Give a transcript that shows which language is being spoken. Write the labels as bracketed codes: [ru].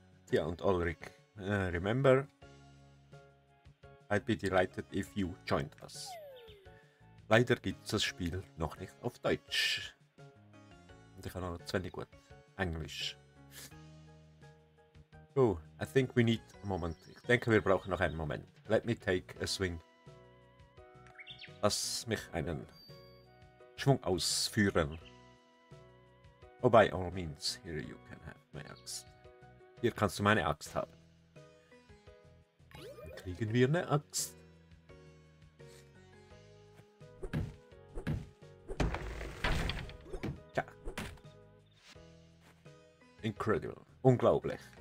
[en] Ja, und Ulrich, remember, I'd be delighted if you joined us. [de] Leider gibt es das Spiel noch nicht auf Deutsch. Und ich kann auch zu wenig gut Englisch. [en] So, I think we need a moment. [de] Ich denke, wir brauchen noch einen Moment. [en] Let me take a swing. [de] Lass mich einen Schwung ausführen. [en] Oh, by all means, here you can have my axe. [de] Hier kannst du meine Axt haben. Dann kriegen wir eine Axt. Tja. [en] Incredible. [de] Unglaublich.